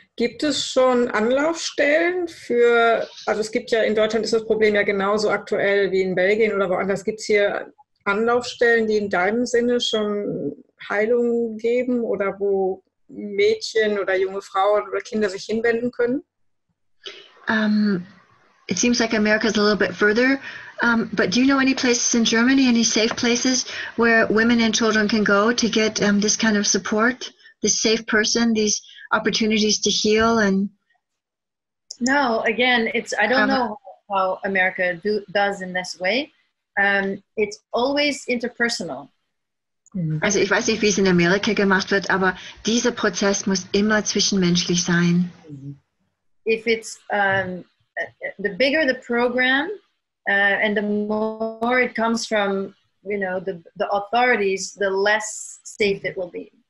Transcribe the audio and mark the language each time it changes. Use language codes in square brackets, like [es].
[de] Gibt es schon Anlaufstellen es gibt ja in Deutschland ist das Problem ja genauso aktuell wie in Belgien oder woanders. Gibt es hier Anlaufstellen, die in deinem Sinne schon Heilung geben oder wo Mädchen oder junge Frauen oder Kinder sich hinwenden können? [en] It seems like America is a little bit further. But do you know any places in Germany, any safe places where women and children can go to get this kind of support, this safe person, these opportunities to heal? And no, again, I don't know how America does in this way. It's always interpersonal. [de] Also ich weiß nicht, wie es in Amerika gemacht wird, aber dieser Prozess muss immer zwischenmenschlich sein. [en] If it's the bigger the program, and the more it comes from, you know, the authorities, the less safe it will be.